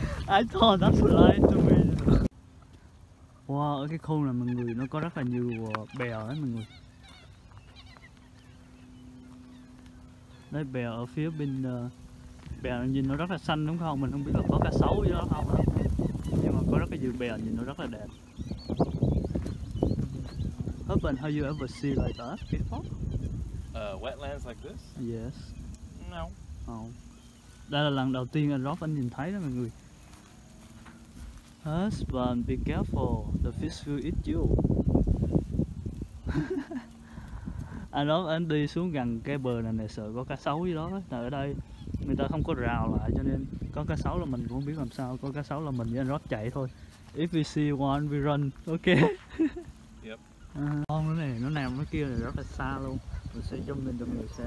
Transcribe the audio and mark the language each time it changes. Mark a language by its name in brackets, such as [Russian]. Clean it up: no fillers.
[English] I thought that's right to me. [Vietnamese] Wow, ở cái khu này mọi người nó có rất là nhiều bèo ấy mọi người. Đấy, bèo ở phía bên bèo nhìn nó rất là xanh đúng không? Mình không biết là có cá sấu gì đó không đó. Nhưng mà có rất là nhiều bèo nhìn nó rất là đẹp. [English] Urban, have you ever seen like that before? Wetlands like this? Yes. No. Oh. [Vietnamese] Đây là lần đầu tiên anh Rob anh nhìn thấy đó mọi người. [English] Husband, be careful, the fish will eat you. [Vietnamese] Anh đó anh đi xuống gần cái bờ này nè, sợ có cá sấu gì đó. Tại ở đây người ta không có rào lại cho nên có cá sấu là mình cũng không biết làm sao. Có cá sấu là mình với anh Rob chạy thôi. [English] If we see one, we run, ok. Yep. [Vietnamese] Con nữa nè, nó nằm nó kia này rất là xa luôn. Mình sẽ cho mình xem